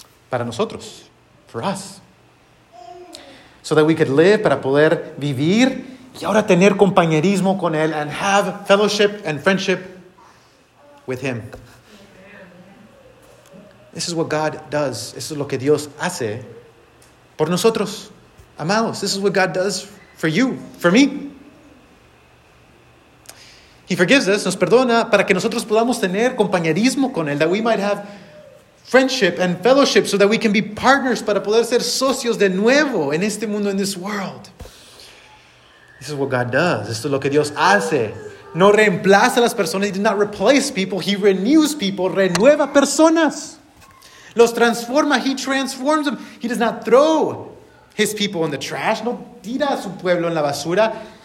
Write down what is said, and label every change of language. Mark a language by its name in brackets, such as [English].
[Spanish] Para nosotros, [English] for us. So that we could live, [Spanish] para poder vivir, y ahora tener compañerismo con él, [English] and have fellowship and friendship with him. This is what God does. [Spanish] Esto es lo que Dios hace por nosotros, amados. [English] This is what God does for you, for me. He forgives us, [Spanish] nos perdona, para que nosotros podamos tener compañerismo con él, [English] that we might have friendship and fellowship, so that we can be partners, [Spanish] para poder ser socios de nuevo en este mundo, [English] in this world. This is what God does. [Spanish] Esto es lo que Dios hace. No reemplaza a las personas. [English] He did not replace people. He renews people. [Spanish] Renueva personas. Los transforma. [English] He transforms them. He does not throw his people in the trash. [Spanish] No tira a su pueblo en la basura.